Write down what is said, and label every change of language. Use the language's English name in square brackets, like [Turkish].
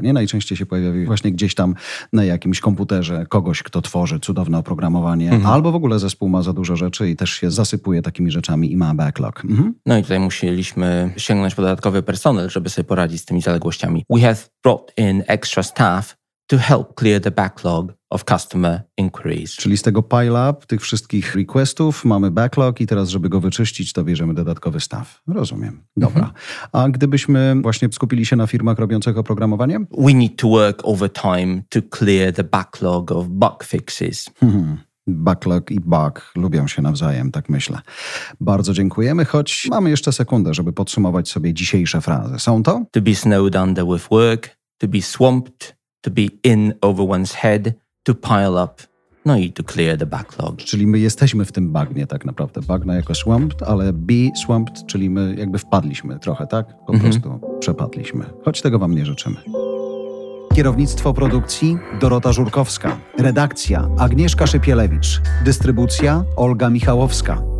[Polish] Nie najczęściej się pojawia właśnie gdzieś tam na jakimś komputerze kogoś, kto tworzy cudowne oprogramowanie, albo w ogóle zespół ma za dużo rzeczy i też się zasypuje takimi rzeczami i ma backlog. No i tutaj musieliśmy sięgnąć po dodatkowy personel, żeby sobie poradzić z tymi zaległościami. [English] We have brought in extra staff to help clear the backlog of customer inquiries. [Polish] Czyli z tego pile-up tych wszystkich requestów mamy backlog i teraz, żeby go wyczyścić, to bierzemy dodatkowy staff. Rozumiem. Dobra. A gdybyśmy właśnie skupili się na firmach robiących oprogramowanie? [English] We need to work overtime to clear the backlog of bug fixes. [Polish] Backlog i bug lubią się nawzajem, tak myślę. Bardzo dziękujemy, choć mamy jeszcze sekundę, żeby podsumować sobie dzisiejsze frazy. Są to? [English] To be snowed under with work, to be swamped, to be in over one's head, to pile up, [Polish] no i [English] to clear the backlog. [Polish] Czyli my jesteśmy w tym bagnie tak naprawdę. Bagna jako swamped, ale be swamped, czyli my jakby wpadliśmy trochę, tak? Po prostu przepadliśmy. Choć tego wam nie życzymy. Kierownictwo produkcji Dorota Żurkowska. Redakcja Agnieszka Szypielewicz. Dystrybucja Olga Michałowska.